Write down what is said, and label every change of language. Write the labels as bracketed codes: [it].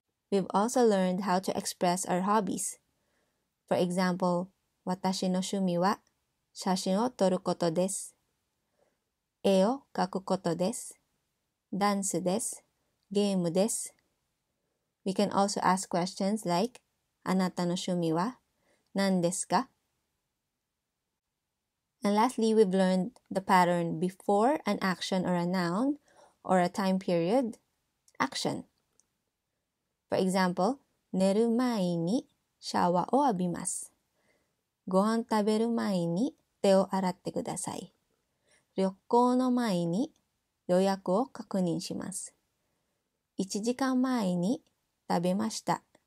[en] We've also learned how to express our hobbies. For example, [ja] 私の趣味は写真を撮ることです。絵を描くことです。ダンスです。ゲームです。 [en] We can also ask questions like, [ja] あなたの趣味は何ですか? [en] And lastly, we've learned the pattern before an action or a noun or a time period, action. For example, [ja] 寝る前にシャワーを浴びます。ご飯食べる前に手を洗ってください。旅行の前に予約を確認します。 1時間前に食べました。